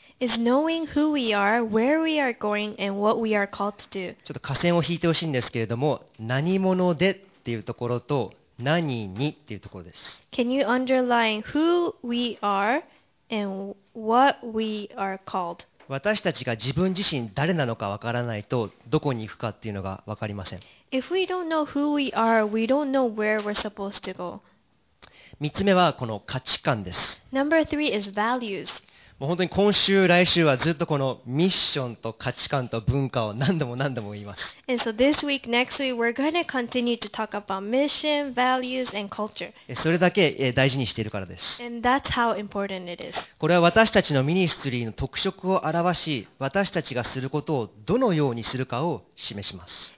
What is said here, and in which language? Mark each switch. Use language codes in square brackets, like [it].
[en] Is knowing who we are, where we are going, and what we are called to do. [ja] ちょっと下線を引いてほしいんですけれども、何者でっていうところと何にっていうところです。 [en] Can you underline who we are and what we are called? [ja] 私たちが自分自身誰なのかわからないとどこに行くかっていうのがわかりません。 [en] If we don't know who we are, we don't know where we're supposed to go. [ja] 三つ目はこの価値観です。 [en] Number three is values. [ja] もう本当に今週来週はずっとこのミッションと価値観と文化を何度も何度も言います。 [en] And so this week, next week, we're going to continue to talk about mission, values, and culture. [ja] それだけ大事にしているからです。 [en] And that's how important it is. [ja] これは私たちのミニストリーの特色を表し、私たちがすることをどのようにするかを示します。